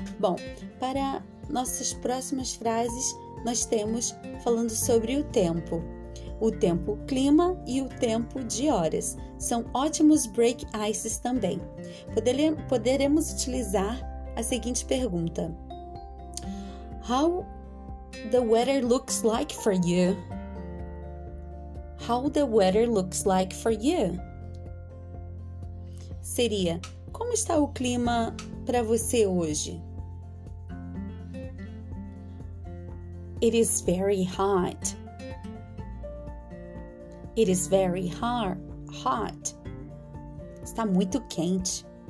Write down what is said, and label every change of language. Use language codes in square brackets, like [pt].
[pt] Bom, para nossas próximas frases, nós temos falando sobre o tempo clima e o tempo de horas. São ótimos break ices também. Poderemos utilizar a seguinte pergunta. [en] How the weather looks like for you? How the weather looks like for you? [pt] Seria, como está o clima para você hoje? [en] It is very hot. It is very hot. [pt] Está muito quente.